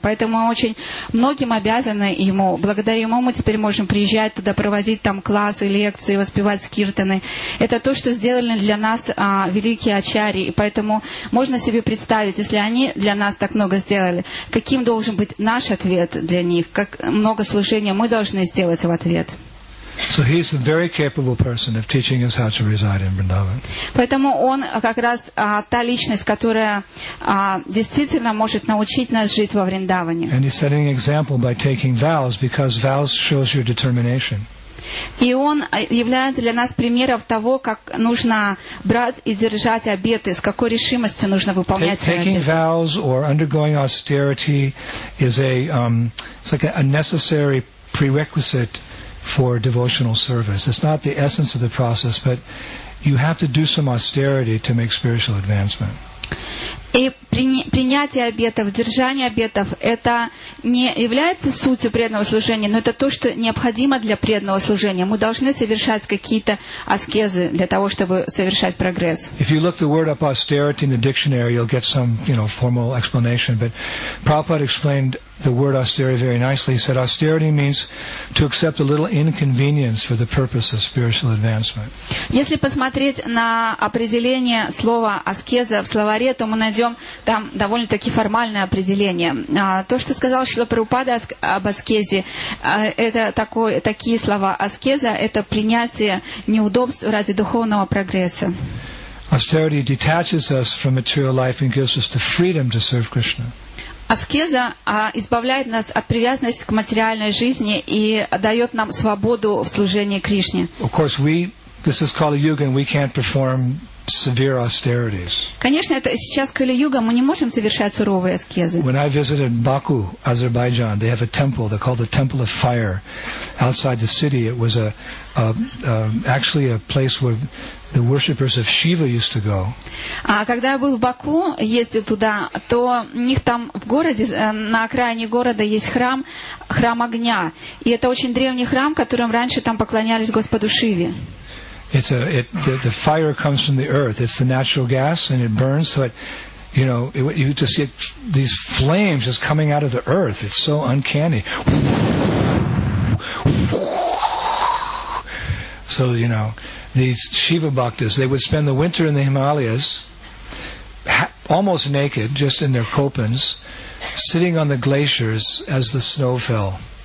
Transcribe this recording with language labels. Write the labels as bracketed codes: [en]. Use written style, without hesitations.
[ru] Поэтому мы очень многим обязаны ему. Благодаря ему мы теперь можем приезжать туда, проводить там классы, лекции, воспевать скиртаны. Это то, что сделали для нас великие ачарьи. И поэтому можно себе представить, если они для нас так много сделали, каким должен быть наш ответ для них, как много служения мы должны сделать в ответ. [en] So he's a very capable person of teaching us how to reside in Vrindavan. [ru] Поэтому он как раз та личность, которая действительно может научить нас жить во Вриндаване. [en] And he's setting an example by taking vows, because vows shows your determination. [ru] И он является для нас примером того, как нужно брать и держать обеты, с какой решимостью нужно выполнять свои обеты. [en] Taking vows or undergoing austerity is a necessary prerequisite for devotional service. It's not the essence of the process, but you have to do some austerity to make spiritual advancement. [ru] И принятие обетов, держание обетов, это не является сутью преданного служения, но это то, что необходимо для преданного служения. Мы должны совершать какие-то аскезы для того, чтобы совершать прогресс. [en] If you look the word up austerity in the dictionary, you'll get some, you know, formal explanation. But Prabhupada explained the word austerity very nicely. He said austerity means to accept a little inconvenience for the purpose of spiritual advancement. [ru] Если посмотреть на определение слова аскеза в словаре, то мы найдем там довольно-таки формальное определение. То, что сказал Шрила Прабхупада об аскезе, это такие слова. Аскеза — это принятие неудобств ради духовного прогресса. [en] Austerity detaches us from material life and gives us the freedom to serve Krishna. [ru] Аскеза избавляет нас от привязанности к материальной жизни и дает нам свободу в служении Кришне. [en] Of course, this is called a yuga, and we can't perform severe austerities. [ru] Конечно, это сейчас Кали-юга, мы не можем совершать суровые аскезы. [en] When I visited Baku, Azerbaijan, they have a temple, they call the Temple of Fire. Outside the city, it was actually a place where the worshippers of Shiva used to go. [ru] А когда я был в Баку, ездил туда, то у них там в городе, на окраине города есть храм, храм огня. И это очень древний храм, которым раньше там поклонялись Господу Шиве. [en] The fire comes from the earth. It's the natural gas, and it burns. So, you just get these flames just coming out of the earth. It's so uncanny. So, you know, these Shiva Bhaktas, they would spend the winter in the Himalayas, almost naked, just in their kopans, sitting on the glaciers as the snow fell.